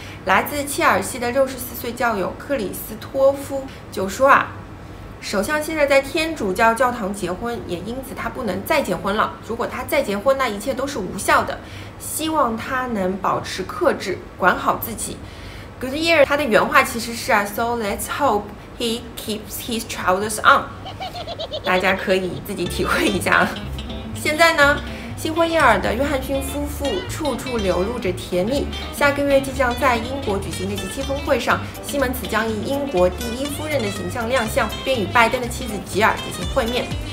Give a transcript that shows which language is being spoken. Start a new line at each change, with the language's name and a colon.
Chinese: 来自切尔西的64岁教友克里斯托夫就说啊，首相现在在天主教教堂结婚，也因此他不能再结婚了。如果他再结婚，那一切都是无效的。希望他能保持克制，管好自己。
English: Good year，
Chinese: 他的原话其实是啊
English: ，So let's hope he keeps his trousers on。
Chinese: 大家可以自己体会一下。现在呢？新婚燕尔的约翰逊夫妇处处流露着甜蜜，下个月即将在英国举行的极其峰会上，西门子将以英国第一夫人的形象亮相，并与拜登的妻子吉尔进行会面。